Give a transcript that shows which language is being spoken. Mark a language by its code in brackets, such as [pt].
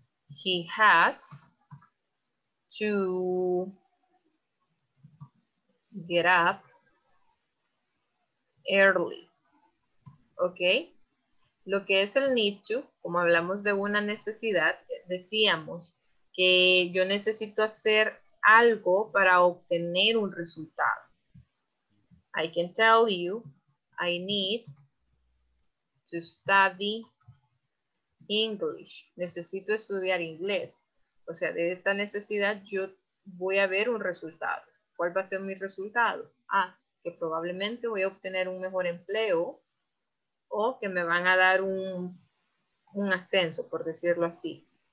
[en] He has to get up early, ¿ok? [es] Lo que es el need to, como hablamos de una necesidad, decíamos que yo necesito hacer algo para obtener un resultado. [en] I can tell you, I need to study English. [es] Necesito estudiar inglés. O sea, de esta necesidad yo voy a ver un resultado. ¿Cuál va a ser mi resultado? Ah, que probablemente voy a obtener un mejor empleo o que me van a dar un ascenso, por decirlo así.